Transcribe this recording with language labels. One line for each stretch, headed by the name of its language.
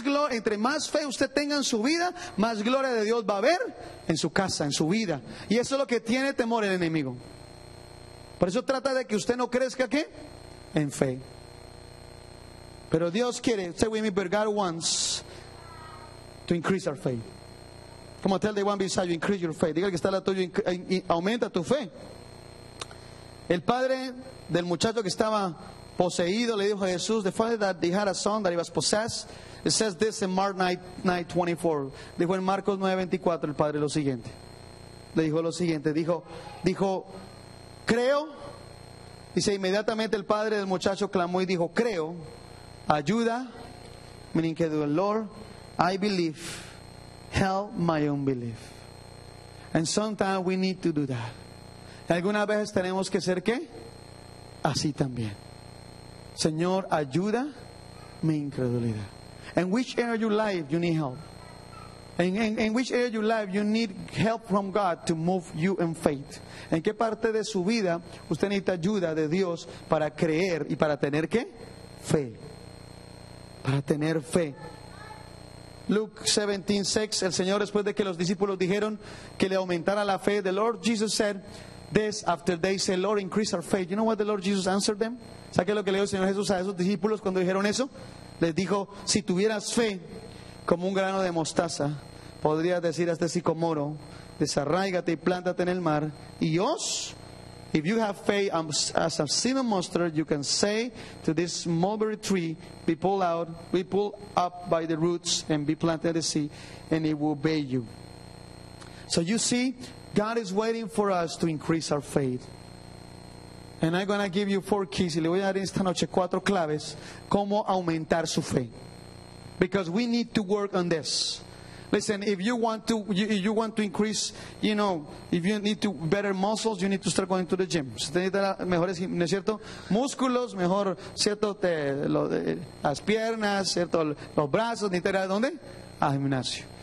Spanish: Entre más fe usted tenga en su vida, más gloria de Dios va a haber en su casa, en su vida. Y eso es lo que tiene temor el enemigo. Por eso trata de que usted no crezca, ¿qué? En fe. Pero Dios quiere,
English: say with me, but God wants to increase our faith. Come on, tell the one beside you, increase your faith.
Spanish: Diga el que está al lado tuyo, aumenta tu fe. El padre del muchacho que estaba poseído le dijo a Jesús,
English: the father that he had a son that he was possessed, it says this in Mark 9:24.
Spanish: Dijo en Marcos 9:24 el padre lo siguiente. Le dijo lo siguiente, dijo, creo. Dice, inmediatamente el padre del muchacho clamó y dijo, creo, ayuda, meaning que
English: the Lord, I believe, help my unbelief. And sometimes we need to do that.
Spanish: Algunas veces tenemos que ser, ¿qué? Así también. Señor, ayuda mi incredulidad.
English: In which area of your life you need help? In which area of your life you need help from God to move you in faith?
Spanish: ¿En qué parte de su vida usted necesita ayuda de Dios para creer y para tener qué? Fe. Para tener fe. Luke 17:6, el Señor, después de que los discípulos dijeron que le aumentara la fe,
English: the Lord Jesus said this after they said, Lord, increase our faith. You know what the Lord Jesus answered them?
Spanish: ¿Sabe qué es lo que le dijo el Señor Jesús a esos discípulos cuando dijeron eso? Les dijo, si tuvieras fe como un grano de mostaza, podrías decir a este sicomoro, desarráigate y plántate en el mar, y os,
English: if you have faith as a cinnamon mustard, you can say to this mulberry tree, be pulled up by the roots and be planted in the sea, and it will obey you. So you see, God is waiting for us to increase our faith. And I'm going to give you four keys.
Spanish: Y le voy a dar esta noche cuatro claves cómo aumentar su fe.
English: Because we need to work on this. Listen, if you want to increase, if you need better muscles, you need to start going to the gym.
Spanish: Si necesita mejores, ¿no es cierto? Músculos, mejor, ¿cierto? Las piernas, ¿cierto? Los brazos, ¿necesita ir a dónde? A gimnasio.